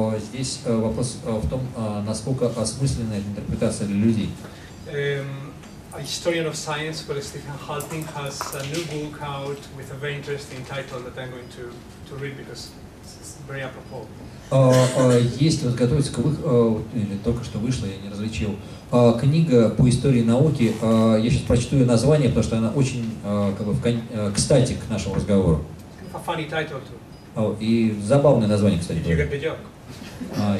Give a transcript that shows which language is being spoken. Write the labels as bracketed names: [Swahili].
[Russian] Здесь вопрос в том, насколько осмысленна эта интерпретация для людей. [English] A historian of science called Stephen Halting has a new book out with a very interesting title that I'm going to read because it's very apropos. [Russian] Есть, вот готовится к выходу, или только что вышла, я не различил, книга по истории науки. Я сейчас прочту ее название, потому что она очень как бы кстати к нашему разговору. [English] A funny title too. [Russian] И забавное название, кстати. [English] Did you get the joke?